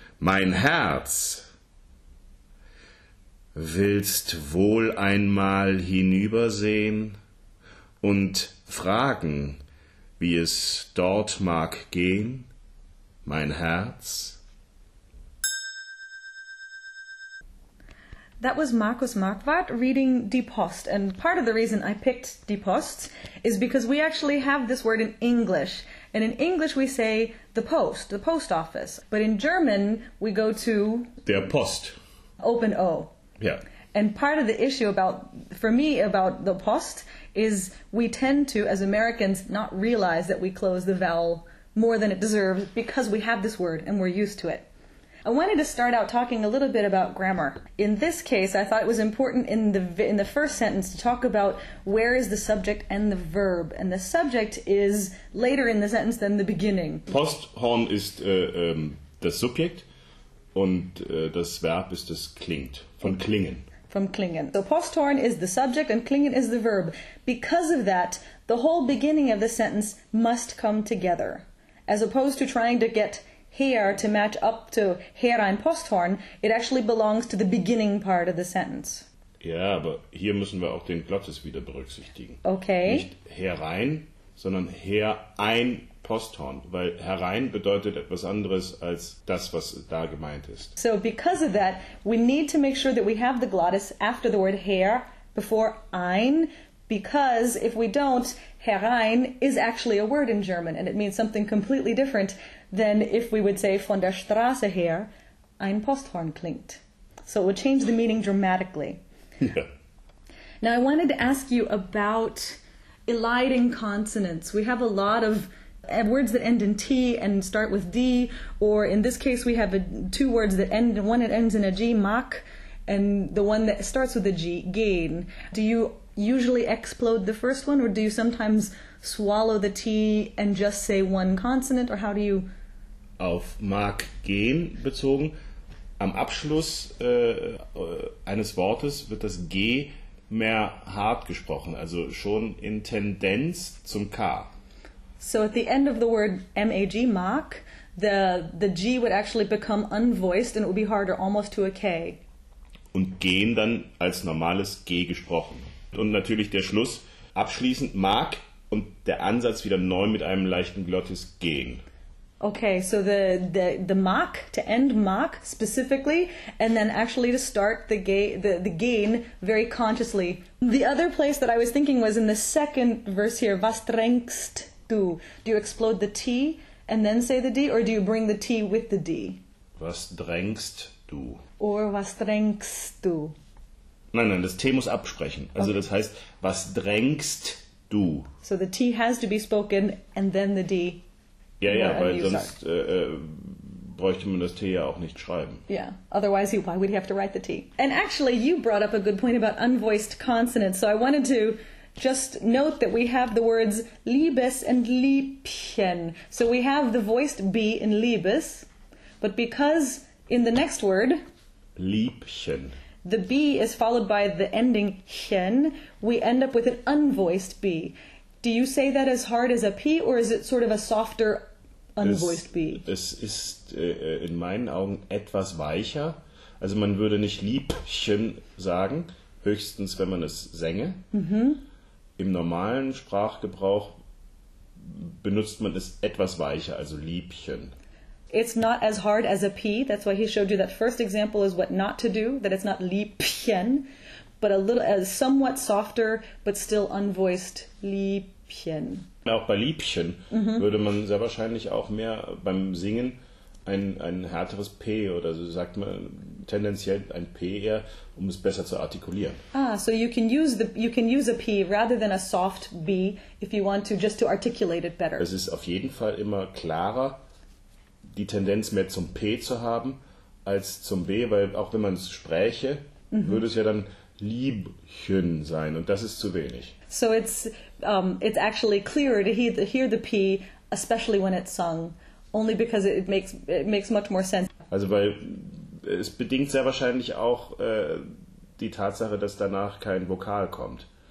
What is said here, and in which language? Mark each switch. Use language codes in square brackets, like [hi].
[de] Mein Herz! Willst wohl einmal hinübersehen und fragen, wie es dort mag gehen, mein Herz? [en] That was Markus Marquardt reading Die Post, and part of the reason I picked Die Post is because we actually have this word in English, and in English we say the post office, but in German we go to... [de] Der Post. [en] Open O. Yeah. And part of the issue about, for me, about the post is we tend to, as Americans, not realize that we close the vowel more than it deserves because we have this word and we're used to it. I wanted to start out talking a little bit about grammar. In this case, I thought it was important in the first sentence to talk about where is the subject and the verb. And the subject is later in the sentence than the beginning. [de] Posthorn ist das Subjekt. Und das Verb ist das klingt, von klingen. [en] From klingen. So posthorn is the subject and klingen is the verb. Because of that, the whole beginning of the sentence must come together. As opposed to trying to get her to match up to her ein posthorn, it actually belongs to the beginning part of the sentence. [de] Ja, aber hier müssen wir auch den Glottis wieder berücksichtigen. [en] Okay. [de] Nicht herein, sondern her ein Posthorn, weil herein bedeutet etwas anderes als das, was da gemeint ist. [en] So because of that, we need to make sure that we have the glottis after the word her, before ein, because if we don't, herein is actually a word in German, and it means something completely different than if we would say [de] von der Straße her ein Posthorn klingt. [en] So it would change the meaning dramatically. Now I wanted to ask you about eliding consonants. We have a lot of words that end in T and start with D, or in this case we have two words that end, one that ends in a G, mach, and the one that starts with a G, gain. Do you usually explode the first one, or do you sometimes swallow the T and just say one consonant, or how do you... [de] Auf mach gehen bezogen, am Abschluss eines Wortes wird das G mehr hart gesprochen, also schon in Tendenz zum K. [en] So at the end of the word mag, mag, the G would actually become unvoiced and it would be harder, almost to a K. [de] Und gehen dann als normales G gesprochen. Und natürlich der Schluss, abschließend mag und der Ansatz wieder neu mit einem leichten Glottis gehen. [en] Okay, so the mag, to end mag specifically, and then actually to start the gain very consciously. The other place that I was thinking was in the second verse here, was drängst du? Do you explode the T and then say the D, or do you bring the T with the D? [de] Was drängst du? Or was drängst du? Nein, nein, das T muss absprechen. Also okay. Das heißt, was drängst du? [en] So the T has to be spoken and then the D. [de] Ja, weil sonst bräuchte man das T ja auch nicht schreiben. [en] Yeah, otherwise why would he have to write the T? And actually, you brought up a good point about unvoiced consonants. So I wanted to just note that we have the words Liebes and Liebchen. So we have the voiced B in Liebes, but because in the next word, Liebchen, the B is followed by the ending chen, we end up with an unvoiced B. Do you say that as hard as a P, or is it sort of a softer, unvoiced B? [de] Es ist in meinen Augen etwas weicher. Also man würde nicht Liebchen sagen, höchstens wenn man es sänge. Mm-hmm. Im normalen Sprachgebrauch benutzt man es etwas weicher, also Liebchen. [en] It's not as hard as a P. That's why he showed you that first example is what not to do, that it's not Liebchen. But a little, somewhat softer, but still unvoiced, Liebchen. [de] Auch bei Liebchen würde man sehr wahrscheinlich auch mehr beim Singen ein härteres P oder so sagt man tendenziell ein P eher, um es besser zu artikulieren. [en] Ah, so you can use a P rather than a soft B if you want to just to articulate it better. [de] Es ist auf jeden Fall immer klarer, die Tendenz mehr zum P zu haben als zum B, weil auch wenn man es spräche, würde es ja dann Liebchen sein, und das ist zu wenig. [en] So it's actually clearer to hear the P, especially when it's sung, only because it makes much more sense. [de] Also weil es bedingt sehr wahrscheinlich auch die Tatsache, dass danach kein Vokal kommt.